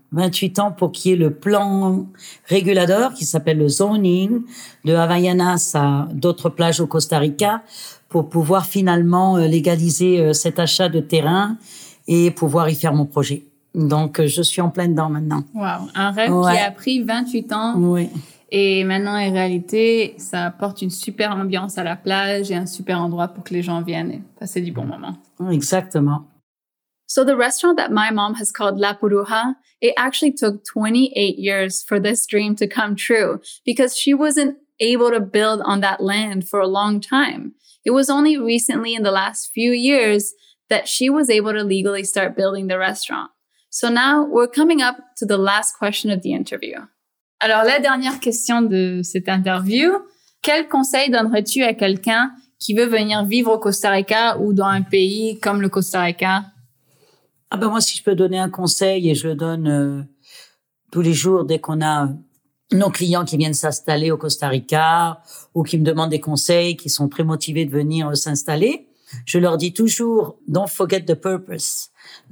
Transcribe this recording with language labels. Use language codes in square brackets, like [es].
[fr] 28 ans pour qu'il y ait le plan régulateur qui s'appelle le zoning de Havaianas à d'autres plages au Costa Rica pour pouvoir finalement légaliser cet achat de terrain et pouvoir y faire mon projet. Donc, je suis en plein dedans maintenant. Waouh, un rêve qui a pris 28 ans. Oui. Et maintenant, en réalité, ça apporte une super ambiance à la plage et un super endroit pour que les gens viennent et passer du bon moment. Exactement. [en] So the restaurant that my mom has called La Puruja, it actually took 28 years for this dream to come true because she wasn't able to build on that land for a long time. It was only recently in the last few years that she was able to legally start building the restaurant. So now we're coming up to the last question of the interview. [fr] Alors la dernière question de cette interview, quel conseil donnerais-tu à quelqu'un qui veut venir vivre au Costa Rica ou dans un pays comme le Costa Rica? Ah ben moi, si je peux donner un conseil, et je le donne tous les jours dès qu'on a nos clients qui viennent s'installer au Costa Rica ou qui me demandent des conseils, qui sont très motivés de venir s'installer, je leur dis toujours « [en] don't forget the purpose ».